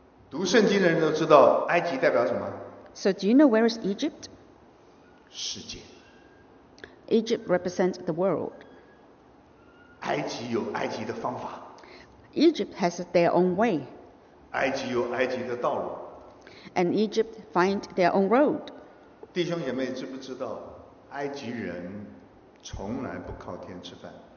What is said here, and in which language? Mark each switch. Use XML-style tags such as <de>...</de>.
<zh>读圣经的人都知道埃及代表什么</zh> <en>？So do you know where is Egypt?</en> <zh>世界。</zh> <en>Egypt represents the world.</en> <zh>埃及有埃及的方法。</zh> <en>Egypt has their own way.</en> <zh>埃及有埃及的道路。</zh> <en>And Egypt find their own road.</en> <zh>弟兄姐妹，知不知道埃及人从来不靠天吃饭</zh>